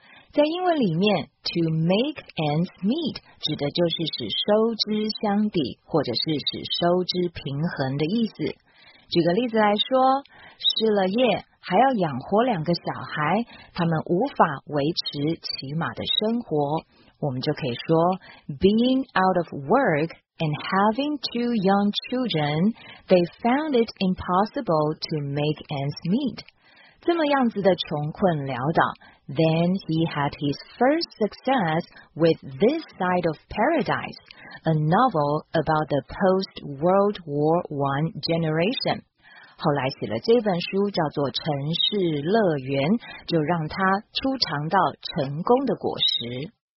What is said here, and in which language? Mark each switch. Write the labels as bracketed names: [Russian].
[Chinese] 在英文里面 , [English] to make ends meet [Chinese] 指的就是使收支相抵或者是使收支平衡的意思。举个例子来说，失了业还要养活两个小孩，他们无法维持起码的生活。我们就可以说 [English] ,being out of work and having two young children, they found it impossible to make ends meet. [Chinese] 这么样子的穷困潦倒。 [English] Then he had his first success with This Side of Paradise, a novel about the post-World War I generation. [Chinese] 后来写了这本书叫做《城市乐园》，就让他初尝到成功的果实。